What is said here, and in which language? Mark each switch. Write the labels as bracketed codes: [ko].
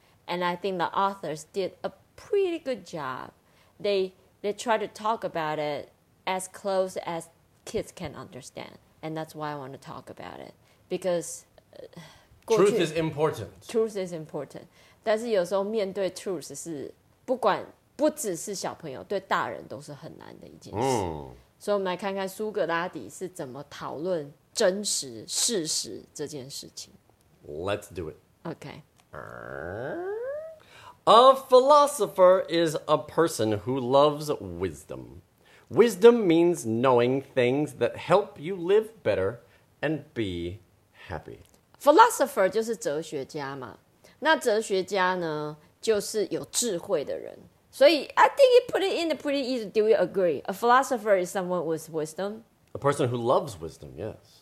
[en] And I think the authors did a pretty good job. They tried to talk about it as close as kids can understand. And that's why I want to talk about it. Because... truth is important. Truth is important. [zh] 但是有时候面对 truth是不管不只是小朋友,对大人都是很难的一件事。所以我们来看看苏格拉底是怎么讨论 真实事实这件事情. [en] Let's do it. Okay. A philosopher is a person who loves wisdom. Wisdom means knowing things that help you live better and be happy. [zh] Philosopher 就是哲学家嘛.那哲学家呢, 就是有智慧的人. [en] So I think he put it in a pretty easy. Do you agree? A philosopher is someone with wisdom. A person who loves wisdom, yes.